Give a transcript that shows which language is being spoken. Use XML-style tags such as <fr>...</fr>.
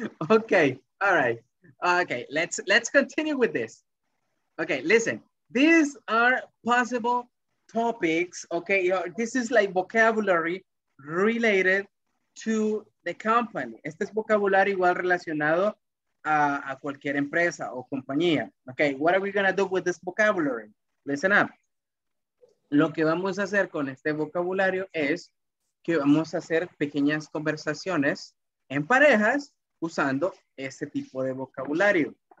<en>Okay, all right. Okay, let's continue with this. Okay, listen, these are possible topics, okay? This is like vocabulary related to the company.</en> <es>Este es vocabulario igual relacionado a cualquier empresa o compañía.</es> <en>Okay, what are we gonna do with this vocabulary? Listen up.</en> <es>Lo que vamos a hacer con este vocabulario es que vamos a hacer pequeñas conversaciones en parejas usando este tipo de vocabulario.</es>